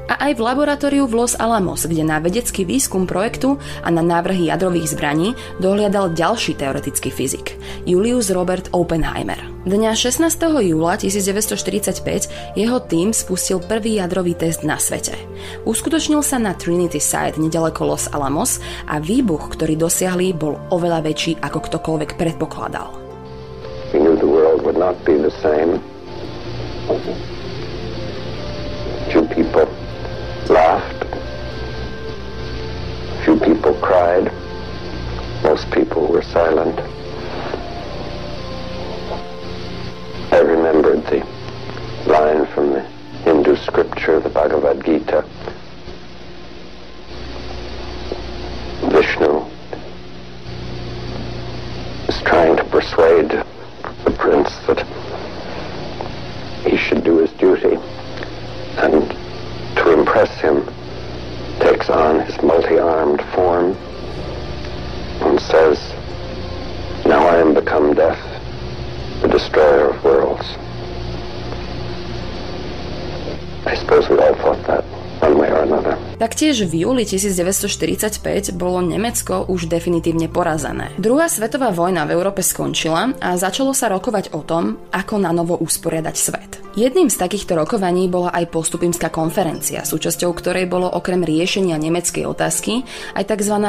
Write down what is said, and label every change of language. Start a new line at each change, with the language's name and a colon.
Slovak: A aj v laboratóriu v Los Alamos, kde na vedecký výskum projektu a na návrhy jadrových zbraní dohliadal ďalší teoretický fyzik, Julius Robert Oppenheimer. Dňa 16. júla 1945 jeho tím spustil prvý jadrový test na svete. Uskutočnil sa na Trinity Site nedaleko Los Alamos a výbuch, ktorý dosiahli, bol oveľa väčší, ako ktokoľvek predpokladal.
English: We knew the world would not be the same. Few people laughed. Few people cried. Most people were silent. I remembered the line from the Hindu scripture, the Bhagavad Gita. Vishnu is trying to persuade the prince that he should do his duty, and to impress him takes on his multi-armed form and says, now I am become death, the destroyer of worlds. I suppose we all thought that one way or another.
Slovak: Taktiež v júli 1945 bolo Nemecko už definitívne porazené. Druhá svetová vojna v Európe skončila a začalo sa rokovať o tom, ako nanovo usporiadať svet. Jedným z takýchto rokovaní bola aj postupimská konferencia, súčasťou ktorej bolo okrem riešenia nemeckej otázky aj tzv.